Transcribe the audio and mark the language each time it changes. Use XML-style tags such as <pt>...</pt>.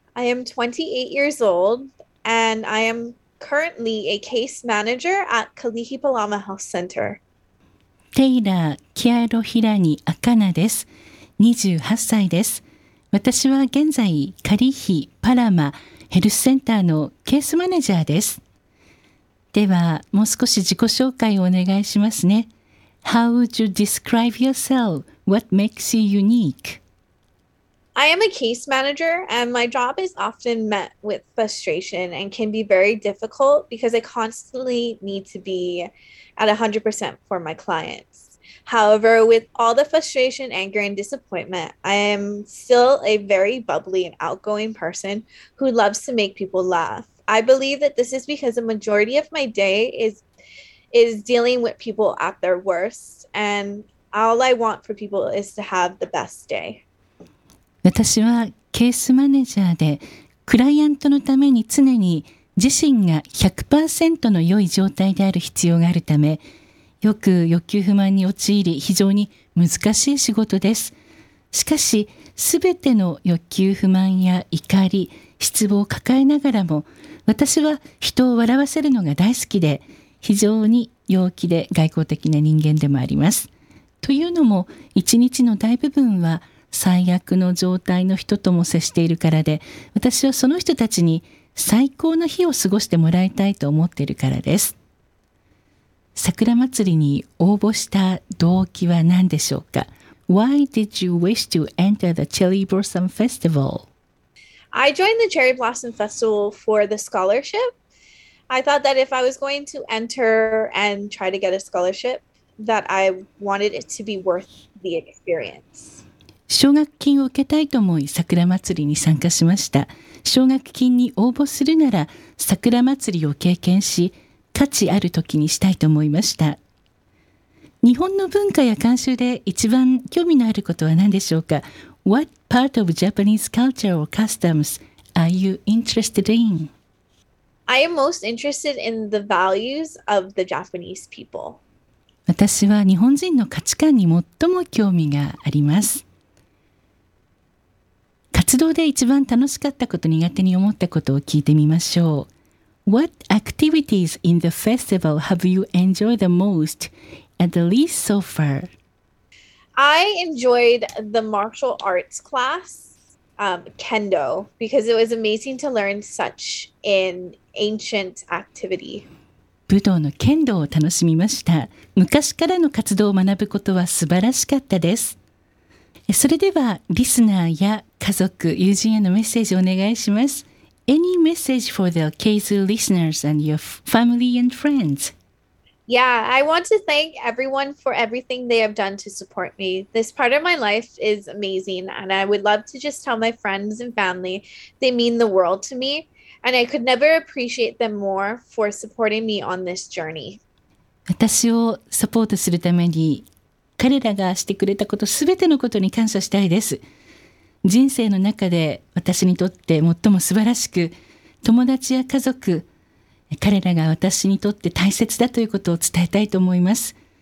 <en>I am 28 years old, and I am currently a case manager at Kalihi Palama Health Center.</en> <ja>テイラー・キアロ・ヒラニ・アカナです。28歳です。私は現在カリヒ・パラマ・ヘルスセンターのケースマネジャーです。ではもう少し自己紹介をお願いしますね。</ja> <en>How would you describe yourself? What makes you unique? I am a case manager, and my job is often met with frustration and can be very difficult because I constantly need to be at 100% for my clients. However, with all the frustration, anger, and disappointment, I am still a very bubbly and outgoing person who loves to make people laugh. I believe that this is because a majority of my day is dealing with people at their worst, and all I want for people is to have the best day.</en> <ja>私はケースマネジャーで、クライアントのために常に自身が 100% の良い状態である必要があるため、よく欲求不満に陥り、非常に難しい仕事です。しかし、すべての欲求不満や怒り、失望を抱えながらも、私は人を笑わせるのが大好きで、非常に陽気で外交的な人間でもあります。というのも、一日の大部分は、最悪の状態の人とも接しているからで、私はその人たちに最高の日を過ごしてもらいたいと思っているからです。桜祭りに応募した動機は何でしょうか？</ja> <en>Why did you wish to enter the Cherry Blossom Festival? I joined the Cherry Blossom Festival for the scholarship. I thought that if I was going to enter and try to get a scholarship, that I wanted it to be worth the experience.</en> <ja>奨学金を受けたいと思い桜祭りに参加しました。奨学金に応募するなら桜祭りを経験し価値ある時にしたいと思いました。日本の文化や慣習で一番興味のあることは何でしょうか？</ja> <en>What part of Japanese culture or customs are you interested in? I am most interested in the values of the Japanese people.</en> <ja>私は日本人の価値観に最も興味があります。活動で一番楽しかったこと、苦手に思ったことを聞いてみましょう。</ja> <en>What activities in the festival have you enjoyed the most and the least so far? I enjoyed the martial arts class, kendo, because it was amazing to learn such an ancient activity.</en> <ja>武道の剣道を楽しみました。昔からの活動を学ぶことは素晴らしかったです。それではリスナーや家族、友人へのメッセージをお願いします。</ja> <en>Any message for the KZU listeners and your family and friends? Yeah, I want to thank everyone for everything they have done to support me. This part of my life is amazing, and I would love to just tell my friends and family they mean the world to me, and I could never appreciate them more for supporting me on this journey.</en> <ja>私をサポートするために彼らがしてくれたこと、すべてのことに感謝したいです。人生の中で私にとって最も素晴らしく、友達や家族、彼らが私にとって大切だということを伝えたいと思います。</ja>